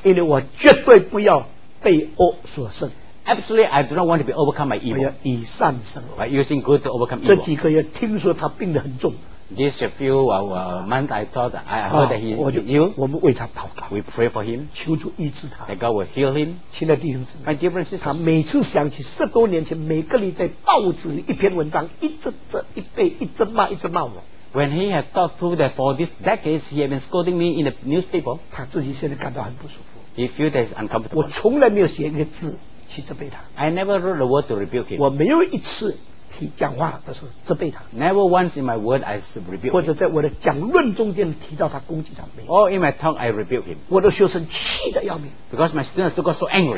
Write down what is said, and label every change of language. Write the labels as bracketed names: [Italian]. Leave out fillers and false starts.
[Chinese] 因为我绝对不要被恶所胜。 [English] Absolutely, I do not want to be overcome by evil. [Chinese] 我要以善胜恶。 [English] By using good to overcome evil. [Chinese] 这几个月听说他病得很重。 [English] This few months I thought I heard that he is ill. [Chinese] 我们为他祷告。 [English] We pray for him. [Chinese] 求主医治他。 [English] That God will heal him. [Chinese] 亲爱的弟兄姊妹。 [English] My dear sisters. [Chinese] 他每次想起十多年前每个礼拜报纸一篇文章一直这一辈一直骂一直骂我。 [English] When he had thought through that for these decades he had been scolding me in the newspaper. [Chinese] 他自己现在感到很不舒服。 [English] He feels that he's uncomfortable. [Chinese] 我从来没有写一个字。 [English] I never wrote a word to rebuke him. [Chinese] 我没有一次提讲话的时候责备他。 [English] Never once in my word I rebuke him. [Chinese] 或者在我的讲论中间提到他攻击他没有。 [English] Or in my talk I rebuke him. [Chinese] 我的学生气得要命。 [English] Because my students got so angry.